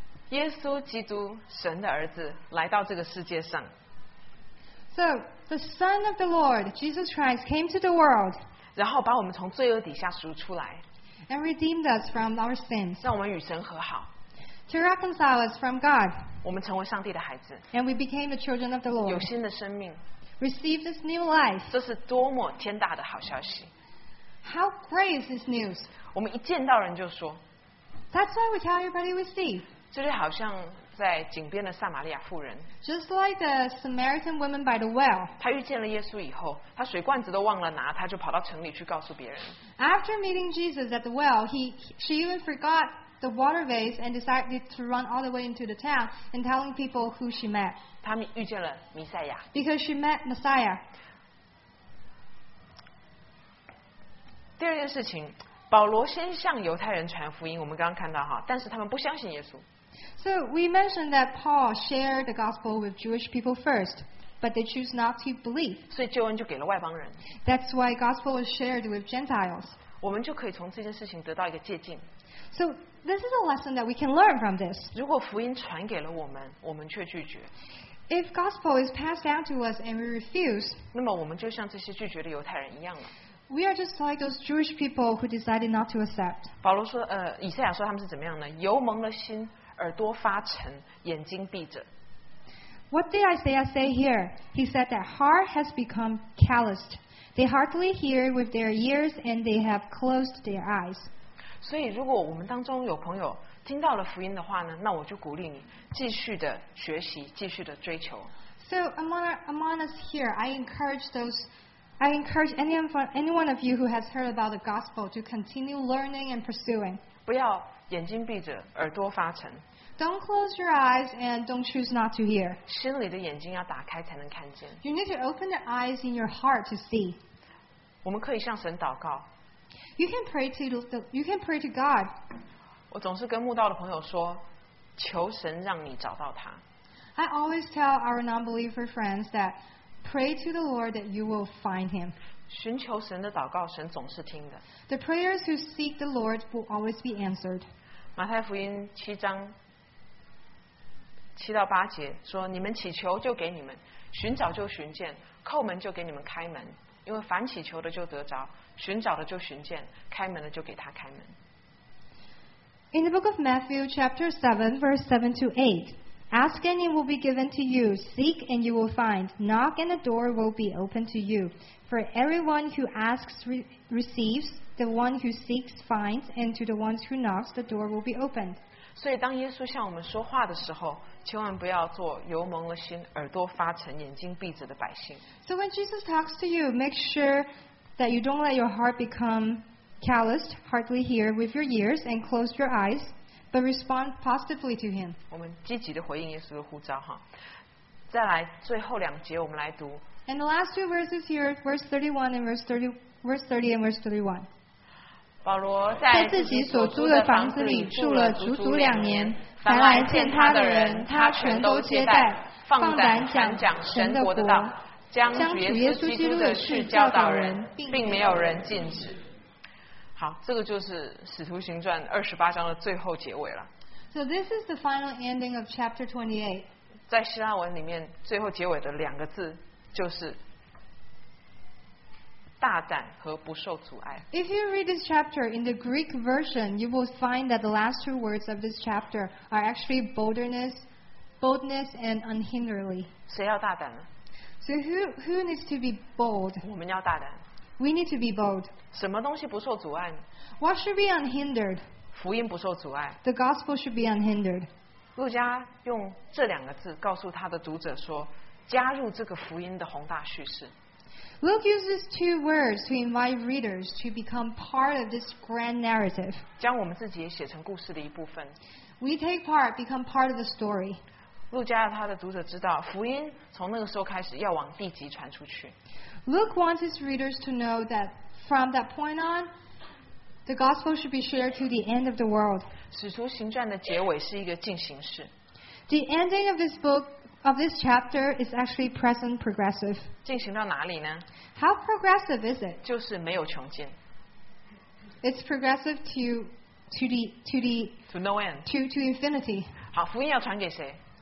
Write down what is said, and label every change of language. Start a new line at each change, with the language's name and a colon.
Chinese: 耶稣基督，神的儿子，来到这个世界上。
English: So the Son of the Lord, Jesus Christ, came to the world.
Chinese: 然后把我们从罪恶底下赎出来。
English: And redeemed us from our sins.
Chinese: 让我们与神和好。
English: To reconcile us from God.
Chinese: 我们成为上帝的孩子。
English: And we became the children of the Lord.
Chinese: 有新的生命。
English: Receive this new life.
Chinese: 这是多么天大的好消息。
English: How great is this news?
Chinese: 我们一见到人就说。
English: That's why we tell everybody we see.
Chinese: 这就好像在井边的撒玛利亚妇人，
English: just like the Samaritan woman by the well，
Chinese: 她遇见了耶稣以后，她水罐子都忘了拿，她就跑到城里去告诉别人。
English: After meeting Jesus at the well, she even forgot the water vase and decided to run all the way into the town and telling people who she met.
Chinese: 她遇见了弥赛亚。
English: Because she met Messiah.
Chinese: 第二件事情，保罗先向犹太人传福音，我们刚刚看到哈，但是他们不相信耶稣。
English: So we mentioned that Paul shared the gospel with Jewish people first, but they choose not to believe.
Chinese: 所以救恩就给了外邦人。
English: That's why gospel is shared with Gentiles.
Chinese: 我们就可以从这件事情得到一个借鉴。
English: So this is a lesson that we can learn from this.
Chinese: 如果福音传给了我们，我们却拒绝。
English: If gospel is passed down to us and we refuse,
Chinese: 那么我们就像这些拒绝的犹太人一样了。
English: We are just like those Jewish people who decided not to accept.
Chinese: 保罗说，以赛亚说他们是怎么样呢？油蒙了心。耳朵发沉，眼睛闭着。
English: What did Isaiah say here? He said that heart has become calloused. They hardly hear with their ears, and they have closed their eyes.
Chinese: 所以，如果我们当中有朋友听到了福音的话呢，那我就鼓励你继续的学习，继续的追求。
English: So among us here, I encourage anyone of you who has heard about the gospel to continue learning and pursuing.
Chinese: 不要眼睛闭着，耳朵发沉。
English: Don't close your eyes and don't choose not to hear.
Chinese: 心里的眼睛要打开才能看见。
English: You need to open your eyes in your heart to see.
Chinese: 我们可以向神祷告。
English: You can pray to God.
Chinese: 我总是跟慕道的朋友说，求神让你找到他。
English: I always tell our non-believer friends that pray to the Lord that you will find him.
Chinese: 寻求神的祷告，神总是听的。
English: The prayers who seek the Lord will always be answered.
Chinese: 马太福音七章七到八节说，你们祈求就给你们，寻找就寻见，叩门就给你们开门，因为凡祈求的就得着，寻找的就寻见，开门的就给他开门。
English: In the book of Matthew chapter 7 verse 7 to 8, ask and it will be given to you, seek and you will find, knock and the door will be opened to you. For everyone who asks receives, the one who seeks finds, and to the ones who knocks the door will be opened.
Chinese: 所以当耶稣向我们说话的时候，千万不要做油蒙了心、耳朵发沉、眼睛闭着的百姓。
English: So when Jesus talks to you, make sure that you don't let your heart become calloused, hardly hear with your ears and close your eyes, but respond positively to him.
Chinese: 我们积极的回应耶稣的呼召哈。再来最后两节，我们来读。
English: And the last two verses here, verse 31 and verse 30 and verse 31.
Chinese: 保罗在自己所租的房子里住了足足两年，凡来见他的人，他全都接待，放胆传讲神的国，将主耶稣基督的事教导人，并没有人禁止。好，这个就是《使徒行传》二十八章的最后结尾了。
English: So this is the final ending of chapter 28.
Chinese: 在希腊文里面，最后结尾的两个字就是大胆和不受阻碍。
English: If you read this chapter in the Greek version, you will find that the last two words of this chapter are actually boldness and unhinderedly.
Chinese: 谁要大胆呢？
English: So who needs to be bold?
Chinese: 我们要大胆。
English: We need to be bold.
Chinese: 什么东西不受阻碍？
English: What should be unhindered?
Chinese: 福音不受阻碍。
English: The gospel should be unhindered.
Chinese: 路加用这两个字告诉他的读者说，加入这个福音的宏大叙事。
English: Luke uses two words to invite readers to become part of this grand narrative.
Chinese: 将我们自己也写成故事的一部分。
English: We take part, become part of the story.
Chinese: 路加他的读者知道，福音从那个时候开始要往地极传出去。
English: Luke wants his readers to know that from that point on, the gospel should be shared to the end of the world.
Chinese: 使徒行传的结尾是一个进行式。
English: The ending of this book, of this chapter, is actually present progressive.
Chinese: 进行到哪里呢？
English: How progressive is it?
Chinese: 就是没有穷尽。
English: It's progressive to no end. To infinity.
Chinese: 好，福音要传给谁？